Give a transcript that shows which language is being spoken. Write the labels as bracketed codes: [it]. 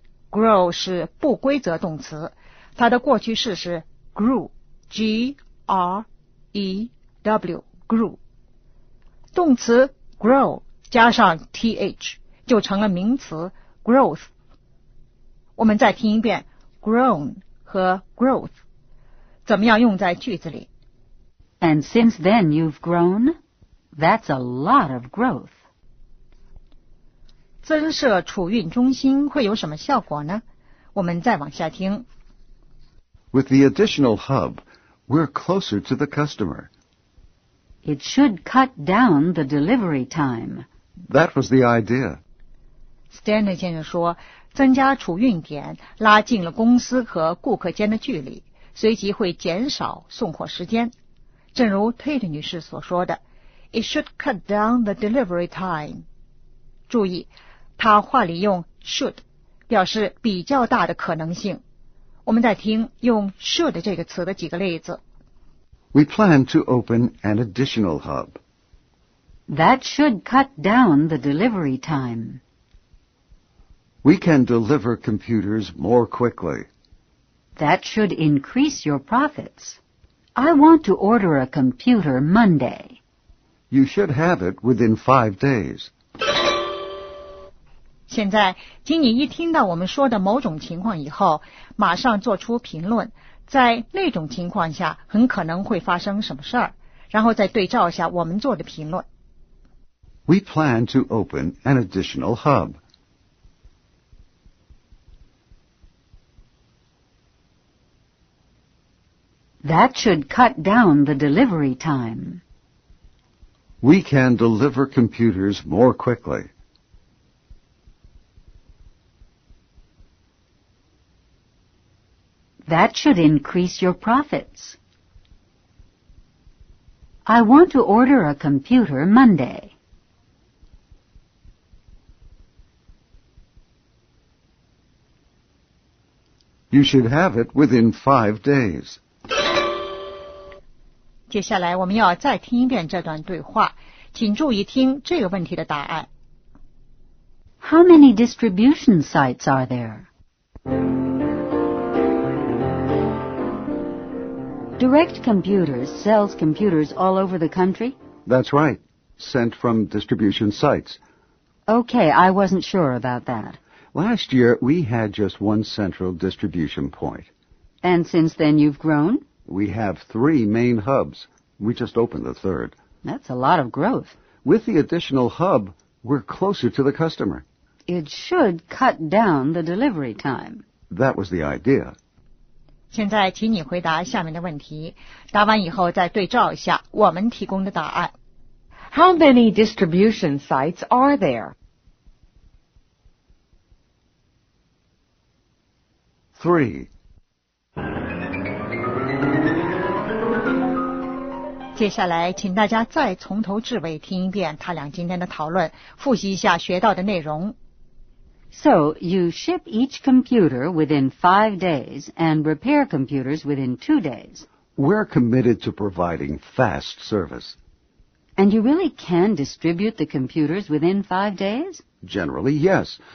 [zh] Grow 是不规则动词，它的过去式是 grew， G-R-E-W， grew。动词 grow 加上 th 就成了名词 growth。我们再听一遍 grown 和 growth 怎么样用在句子里。 [en] And since then you've grown? That's a lot of growth. 增设储运中心会有什么效果呢？我们再往下听。 With the additional hub, we're closer to the customer. It should cut down the delivery time. That was the idea. [zh] Stanley 先生说，增加储运点拉近了公司和顾客间的距离，随即会减少送货时间。正如 Tate 女士所说的 [en] ，It should cut down the delivery time. [zh] 注意。他话里用 should 表示比较大的可能性。我们再听用 should 这个词的几个例子。 [en] We plan to open an additional hub. That should cut down the delivery time. We can deliver computers more quickly. That should increase your profits. I want to order a computer Monday. You should have it within 5 days. [zh] 现在请你一听到我们说的某种情况以后马上做出评论，在那种情况下很可能会发生什么事儿，然后再对照一下我们做的评论。 [en] We plan to open an additional hub. That should cut down the delivery time. We can deliver computers more quickly. That should increase your profits. I want to order a computer Monday. You should have it within 5 days. [zh] 接下来我们要再听一遍这段对话，请注意听这个问题的答案。 [en] How many distribution sites are there? Direct Computers sells computers all over the country? That's right. Sent from distribution sites. Okay, I wasn't sure about that. Last year, we had just one central distribution point. And since then you've grown? We have 3 main hubs. We just opened the 3rd. That's a lot of growth. With the additional hub, we're closer to the customer. It should cut down the delivery time. That was the idea. [zh] 现在请你回答下面的问题，答完以后再对照一下我们提供的答案。 [en] How many distribution sites are there? 3. [zh] 接下来请大家再从头至尾听一遍他俩今天的讨论，复习一下学到的内容。 [en] So, you ship each computer within 5 days and repair computers within 2 days. We're committed to providing fast service. And you really can distribute the computers within 5 days? Generally, yes.